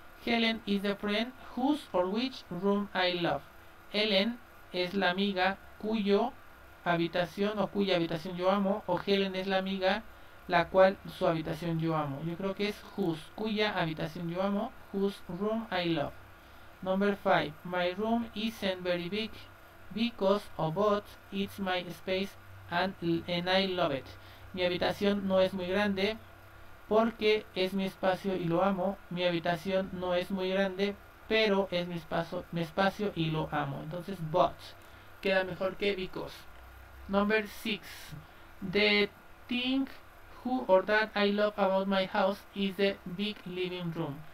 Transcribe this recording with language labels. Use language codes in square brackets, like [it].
[en] Helen is the friend whose or which room I love. [es] Helen es la amiga cuyo habitación o cuya habitación yo amo. O Helen es la amiga la cual su habitación yo amo. Yo creo que es whose, cuya habitación yo amo, [en] whose room I love. [es] Number 5. [en] My room isn't very big because or but it's my space. And I love it. [es] Mi habitación no es muy grande porque es mi espacio y lo amo. Mi habitación no es muy grande, pero es mi espacio y lo amo. Entonces, but queda mejor que because. Number 6. [en] The thing who or that I love about my house is the big living room.